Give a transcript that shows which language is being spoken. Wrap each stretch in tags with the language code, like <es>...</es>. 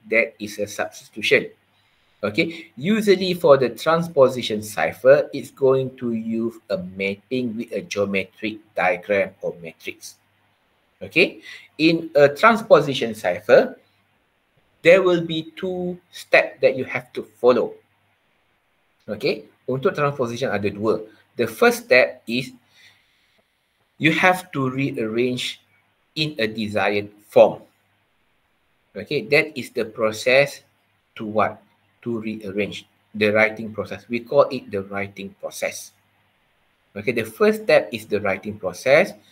<en>That is a substitution. Okay, usually for the transposition cipher, it's going to use a mapping with a geometric diagram or matrix. Okay, in a transposition cipher, there will be two steps that you have to follow.</en> <ms>Okay, untuk transposition ada dua.</ms> <en>The first step is you have to rearrange in a desired form. Okay, that is the process to what? To rearrange the writing process. We call it the writing process. Okay, the first step is the writing process.</en>